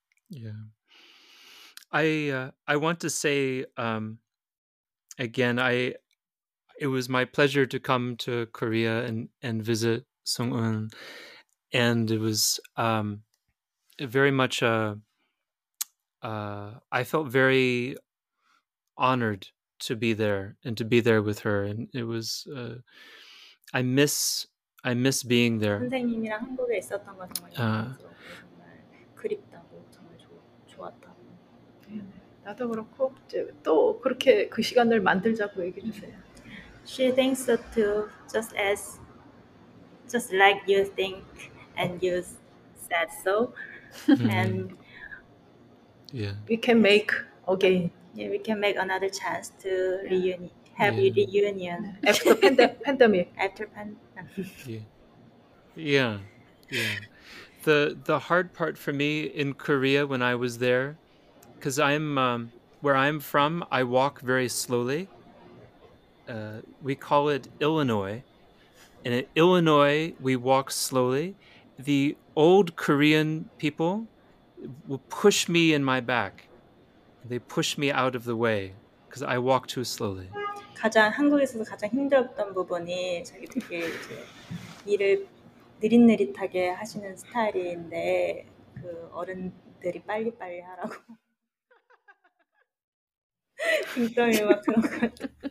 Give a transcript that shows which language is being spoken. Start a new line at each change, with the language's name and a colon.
English: Yeah. I want to say again, it was my pleasure to come to Korea and visit Seung-Eun. And it was very much I felt very honored to be there and to be there with her. And it was, I miss being there.
Korean: 선생님이랑 한국에 있었던 거 정말 그립다고 정말 좋았다. 나도 그렇고 이제 또 그렇게 그 시간을 만들자고 얘기해 주세요.
English: She thinks so too, just like you think. And you said so, and yeah, we can make again. Yeah, we can make another chance to reunion after the pandemic. After pandemic. Yeah. The hard part for me in Korea when I was there, because I'm where I'm from, I walk very slowly. We call it Illinois, and in Illinois we walk slowly. The old Korean people will push me in my back. They push me out of the way because I walk too slowly.
Korean: 가장 한국에서도 가장 힘들었던 부분이 저기 되게 이제 일을 느릿느릿하게 하시는 스타일인데 그 어른들이 빨리빨리 하라고 등떠미 막 그런 것 같아.